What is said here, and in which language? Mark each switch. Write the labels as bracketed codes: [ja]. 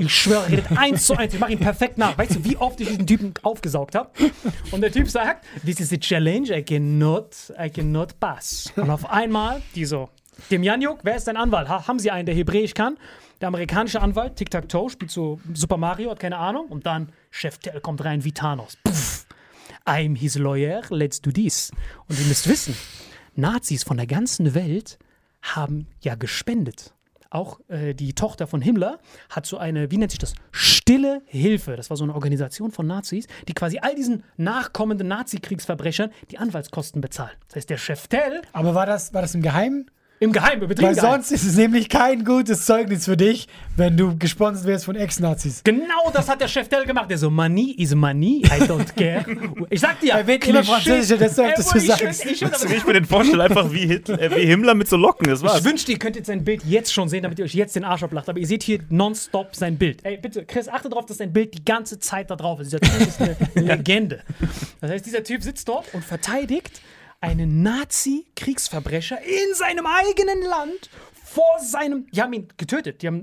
[de] Ich schwöre, redet 1:1. Ich mache ihn perfekt nach. Weißt du, wie oft ich diesen Typen aufgesaugt habe? Und der Typ sagt, [en] this is a challenge. I cannot pass. [de] Und auf einmal, die so, Demjanjuk, wer ist dein Anwalt? Haben Sie einen, der Hebräisch kann? Der amerikanische Anwalt, Tic-Tac-Toe, spielt so Super Mario, hat keine Ahnung. Und dann, Chef Tell kommt rein wie Thanos. Puff. [en] I'm his lawyer, let's do this. [de] Und ihr müsst wissen, Nazis von der ganzen Welt haben ja gespendet. Auch die Tochter von Himmler hat so eine, wie nennt sich das, stille Hilfe. Das war so eine Organisation von Nazis, die quasi all diesen nachkommenden Nazi-Kriegsverbrechern die Anwaltskosten bezahlt. Das heißt, der Chef Tell. Aber war das im Geheimen? Im Geheimen, betrieben. Weil sonst ist es nämlich kein gutes Zeugnis für dich, wenn du gesponsert wärst von Ex-Nazis. Genau das hat der Chef Tell gemacht. Der so, [en] money is money, I don't care. [de] Ich sag dir, er wird immer französischer, desto öfter du sagst. Ich mir den Vorstell einfach wie Himmler mit so Locken, das war's. Ich wünschte, ihr könntet sein Bild jetzt schon sehen, damit ihr euch jetzt den Arsch ablacht. Aber ihr seht hier nonstop sein Bild. Ey, bitte, Chris, achte darauf, dass dein Bild die ganze Zeit da drauf ist. Dieser Typ ist eine Legende. Das heißt, dieser Typ sitzt dort und verteidigt einen Nazi-Kriegsverbrecher in seinem eigenen Land vor seinem. Die haben ihn getötet.